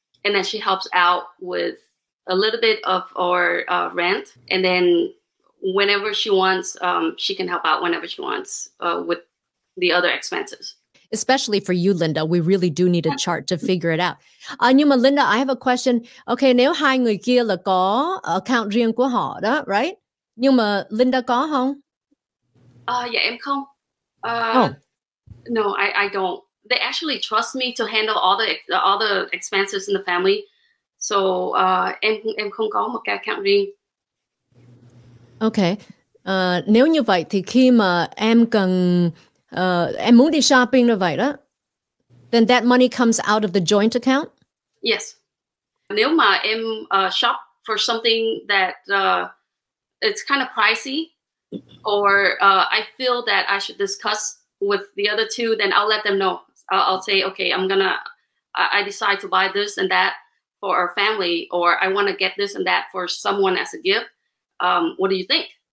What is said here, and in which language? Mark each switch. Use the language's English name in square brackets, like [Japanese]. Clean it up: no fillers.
[English] And then she helps out with a little bit of our rent. And then whenever she wants, she can help out whenever she wants with the other expenses. Especially for you, Linda, we really do need a chart to figure it out. [Vietnamese] Nhưng mà [English] Linda, I have a question. [Vietnamese] Okay, nếu hai người kia là có account riêng của họ đó, [English] right? [Vietnamese] Nhưng mà Linda có không? Dạ em không. [English] No, I don't. They actually trust me to handle all the expenses in the family. [Vietnamese] So em không có một cái account riêng. [English] Okay. [Vietnamese] Nếu như vậy thì khi mà em cần em muốn đi shopping rồi vậy đó. [English] Then that money comes out of the joint account? Yes. [Vietnamese] Nếu mà em [English] shop for something that it's kind of pricey, or I feel that I should discuss with the other two, then I'll let them know. I'll say, okay, I decide to buy this and that for our family, or I want to get this and that for someone as a gift. What do you think?